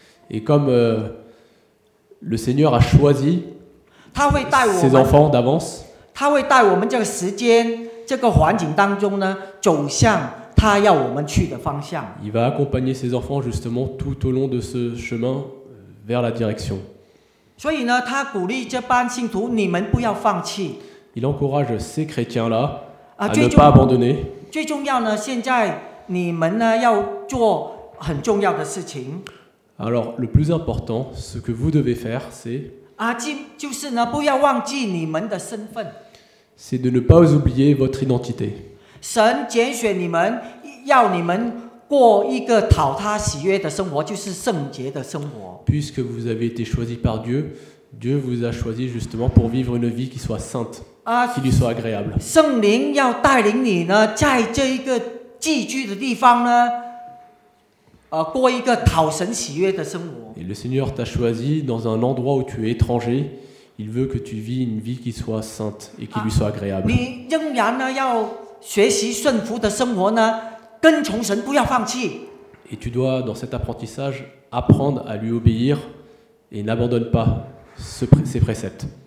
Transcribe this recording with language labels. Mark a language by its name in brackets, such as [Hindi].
[French] Et comme le Seigneur a choisi ses enfants d'avance, il va accompagner ses enfants justement tout au long de ce chemin vers la direction. [Chinese] 所以呢，他鼓励这班信徒，你们不要放弃。 [French] Il encourage ces chrétiens là à ne pas abandonner. [Chinese] 最重要呢，现在你们呢要做很重要的事情。 [French] Alors le plus important, ce que vous devez faire, c'est [Chinese] 啊，就是呢，不要忘记你们的身份。 [French] C'est de ne pas oublier votre identité. [Chinese] 神拣选你们，要你们过一个讨他喜悦的生活，就是圣洁的生活。 [French] Puisque vous avez été choisi par Dieu, Dieu vous a choisi justement pour vivre une vie qui soit sainte, qui lui soit agréable. [Chinese] 圣灵要带领你呢，在这一个寄居的地方呢，过一个讨神喜悦的生活。 [French] Et le Seigneur t'a choisi dans un endroit où tu es étranger. Il veut que tu vis une vie qui soit sainte et qui lui soit agréable. [Chinese] 你仍然呢要学习顺服的生活呢。跟从神，不要放弃。 [French] Et tu dois dans cet apprentissage apprendre à lui obéir et n'abandonne pas ses préceptes.